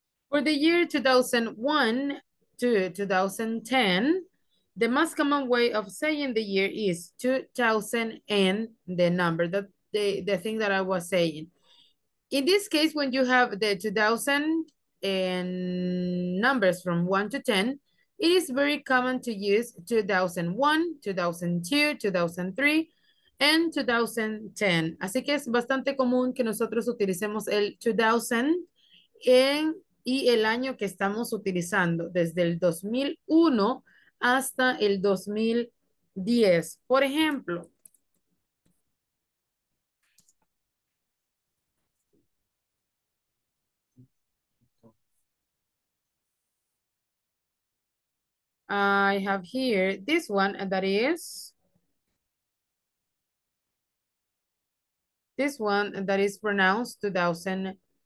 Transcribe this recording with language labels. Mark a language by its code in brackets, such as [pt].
[en] For the year 2001 to 2010, the most common way of saying the year is 2000 and the number, that the thing that I was saying. In this case, when you have the 2000 and numbers from 1 to 10, it is very common to use 2001, 2002, 2003, and 2010. [es] Así que es bastante común que nosotros utilicemos el 2000 en, y el año que estamos utilizando, desde el 2001 hasta el 2010. Por ejemplo, [en] I have here this one, and that is this one that is pronounced 2001.